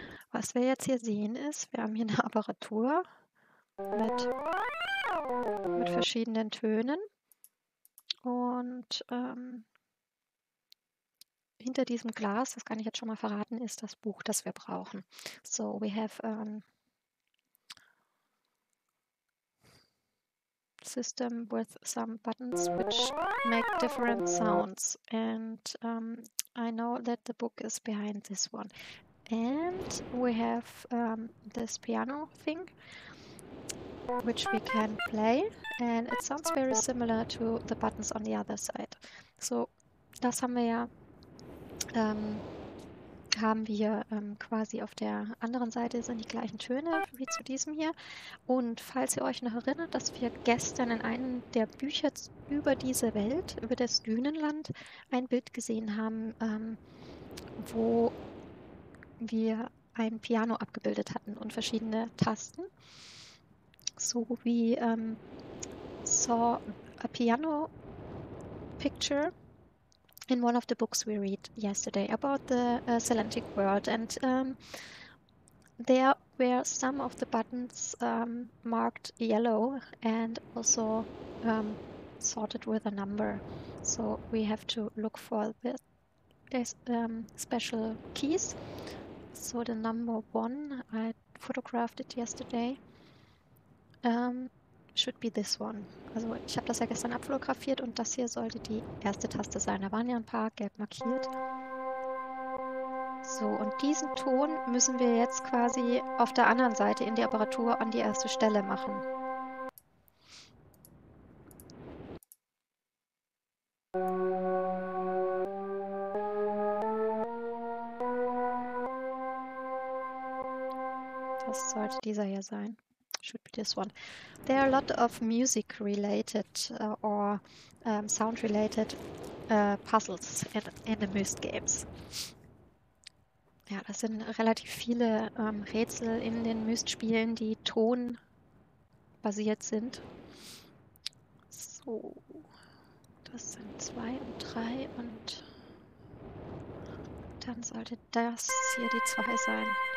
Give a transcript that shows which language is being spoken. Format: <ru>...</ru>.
<de>Was wir jetzt hier sehen ist, wir haben hier eine Apparatur mit verschiedenen Tönen und hinter diesem Glas, das kann ich jetzt schon mal verraten, ist das Buch, das wir brauchen.</de> <en>So, we have system with some buttons which make different sounds. And I know that the book is behind this one. And we have this piano thing, which we can play. And it sounds very similar to the buttons on the other side.</en> <de>So, das haben wir ja. Haben wir quasi auf der anderen Seite sind die gleichen Töne wie zu diesem hier. Und falls ihr euch noch erinnert, dass wir gestern in einem der Bücher über diese Welt, über das Dünenland, ein Bild gesehen haben, wo wir ein Piano abgebildet hatten und verschiedene Tasten.</de> <en>So wie saw a piano picture in one of the books we read yesterday about the Celentic world, and there were some of the buttons marked yellow and also sorted with a number. So we have to look for the special keys. So the number one, I photographed it yesterday, should be this one.</en> <de>Also ich habe das ja gestern abfotografiert und das hier sollte die erste Taste sein. Da waren ja ein paar gelb markiert. So, und diesen Ton müssen wir jetzt quasi auf der anderen Seite in die Apparatur an die erste Stelle machen. Das sollte dieser hier sein.</de> <en>Should be this one. There are a lot of music related or sound related puzzles in the Myst Games.</en> <de>Ja, das sind relativ viele Rätsel in den Myst-Spielen, die tonbasiert sind. So, das sind 2 und 3 und dann sollte das hier die 2 sein.</de>